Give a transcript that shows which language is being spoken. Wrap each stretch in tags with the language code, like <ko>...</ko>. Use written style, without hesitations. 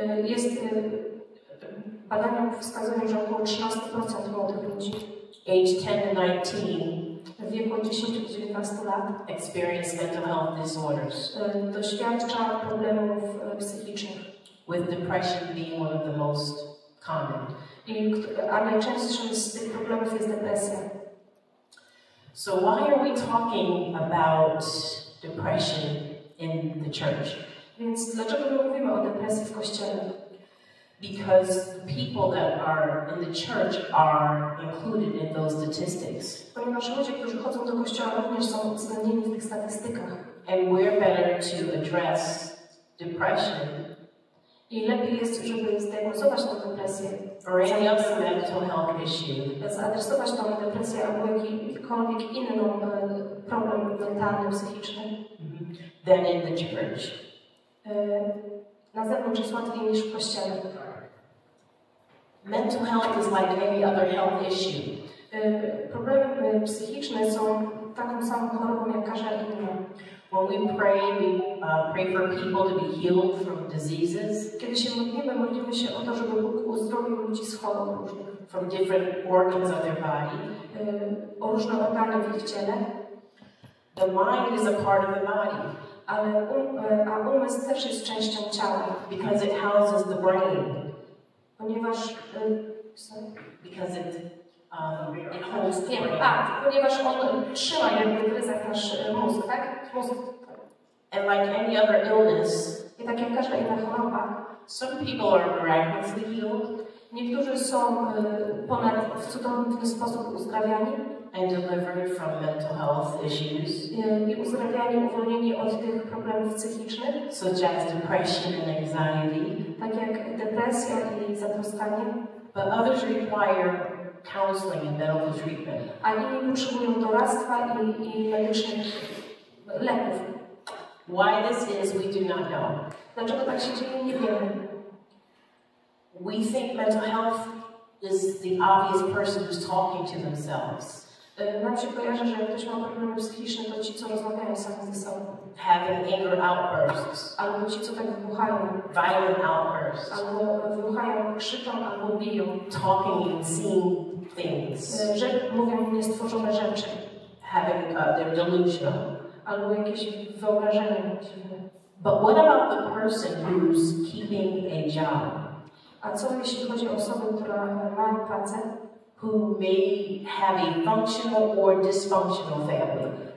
<pl>jest Badania wskazują, że około 13% młodych ludzi</pl> <en>age 10 to 19</en> <pl>w wieku 10-19 lat</pl> <en>experience mental health disorders.</en> <pl>Doświadcza problemów psychicznych.</pl> <en>With depression being one of the most common.</en> <pl>A najczęstszym z tych problemów jest depresja.</pl> <en>So why are we talking about depression in the church?</en> <pl>Więc dlaczego my mówimy o depresji w kościele?</pl> <en>Because the people that are in the church are included in those statistics.</en> <pl>Ponieważ ludzie, którzy chodzą do kościoła, również są uwzględnieni w tych statystykach.</pl> <en>And we're better to address depression.</en> <pl>I lepiej jest, żeby zdiagnozować tę depresję.</pl> <en>Or any other mental health issue.</en> <pl>Zaadresować tą depresję albo jakikolwiek inny problem mentalny, psychiczny. Mm-hmm.</pl> <en>Than in the church.</en> <pl>Na zewnątrz jest łatwiej niż w kościele.</pl> <en>Mental health is like any other health issue.</en> <pl>Problemy psychiczne są taką samą chorobą jak każda inna.</pl> <en>When we pray for people to be healed from diseases.</en> <pl>Kiedy się modlimy, modlimy się o to, żeby Bóg uzdrowił ludzi z chorób różnych.</pl> <en>From different organs of their body.</en> <pl>O różne organy w ich ciele.</pl> <en>The mind is a part of the body.</en> <pl>Ale a umysł też jest częścią ciała.</pl> <en>Because it houses the brain.</en> <pl>Ponieważ</pl> <en>because it holds the brain.</en> <pl>Ponieważ on trzyma jakby w ryzach nasz mózg, tak?</pl> <en>And like any other illness,</en> <pl>i tak jak każda inna choroba,</pl> <en>some people are miraculously healed.</en> <pl>Niektórzy są ponad w cudowny sposób uzdrawiani.</pl> <en>And delivered from mental health issues.</en> <pl>I uzdrawiani, uwolnieni od tych problemów psychicznych.</pl> <en>Such as depression and anxiety.</en> <pl>Tak jak depresja i zatroskanie.</pl> <en>But others require counseling and medical treatment.</en> <pl>A inni potrzebują doradztwa i medycznych leków.</pl> <en>Why this is, we do not know.</en> <pl>Dlaczego tak się dzieje, nie wiemy.</pl> <en>We think mental health is the obvious person who's talking to themselves.</en> <pl>Nam się kojarzy, że jak ktoś ma problemy psychiczne, to ci, co rozmawiają sami ze sobą.</pl> <en>Having anger outbursts.</en> <pl>Albo ci, co tak wybuchają.</pl> <en>Violent outbursts.</en> <pl>Albo wybuchają, krzyczą, albo biją.</pl> <en>Talking and seeing things.</en> <pl>Że mówią niestworzone rzeczy.</pl> <en>Having their delusion.</en> <pl>Albo jakieś wyobrażenie.</pl> <en>But what about the person who's keeping a job?</en> <pl>A co jeśli chodzi o osobę, która ma pracę?</pl> <en>Who may have a functional or dysfunctional family.</en>